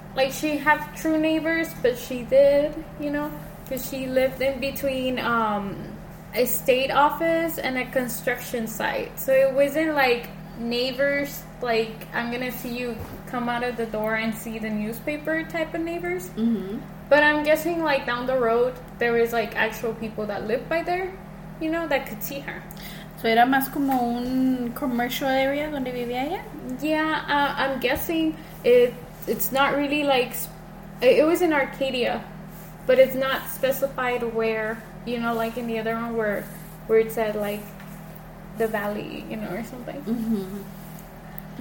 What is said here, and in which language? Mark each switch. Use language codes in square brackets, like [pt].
[en] Like, she had true neighbors, but she did, you know, because she lived in between a state office and a construction site. So it wasn't like neighbors, like, I'm going to see you come out of the door and see the newspaper type of neighbors. Mm-hmm. But I'm guessing, like, down the road, there was, like, actual people that lived by there, you know, that could see her. [es] So era más como un commercial area donde vivía ella? [en] Yeah, I'm guessing it's not really like, it was in Arcadia, but it's not specified where, you know, like in the other one where it said like the valley, you know, or something. Mm-hmm.